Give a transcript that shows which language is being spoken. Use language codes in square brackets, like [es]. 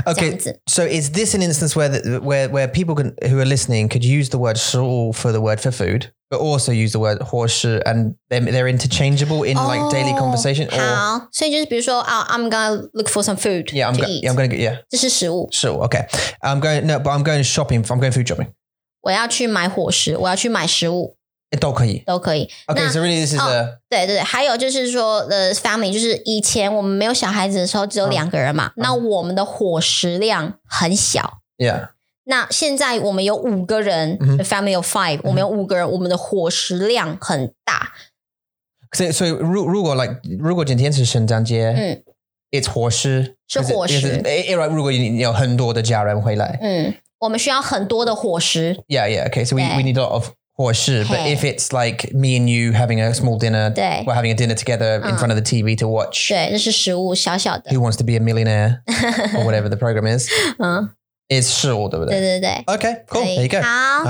[en] OK， so is this an instance where people can who are listening could use the word 食物 for the word for food， but also use the word 伙食 and they're interchangeable in like daily conversation？ [zh] 好、 [en] oh, or... ， [zh] 所以就是比如说啊、 [en] oh, ，I'm gonna look for some food， yeah， I'm gonna yeah， I'm gonna yeah， [zh] 这是食物， [en] 食物 OK， I'm going no， but I'm going shopping， I'm going food shopping。 [zh] 我要去买伙食，我要去买食物，都可以，都可以。 [en] Okay, so really, this is a、oh, [zh] 对对对，还有就是说 ， [en] the family [zh] 就是以前我们没有小孩子的时候只有两个人嘛， 那我们的伙食量很小。 [en] Yeah. [zh] 那现在我们有五个人、mm-hmm. ， [en] the family of five，、 [zh] mm-hmm. 我们有五个人，我们的伙食量很大。所以如果 like 如果今天是圣诞节，嗯。 [en] It's 伙食 [zh] 是伙食 [en] right, [zh] 如果你有很多的家人回来、嗯、我们需要很多的伙食 [en] Yeah, yeah, okay So we need a lot of 伙食 But if it's like me and you having a small dinner [zh] 对 [en] We're having a dinner together in front of the TV to watch [zh] 对那是食物小小的 [en] Who wants to be a millionaire Or whatever the program is [zh] 嗯 It's 食物对不对对对对 [en] Okay, cool, there you go [zh] 好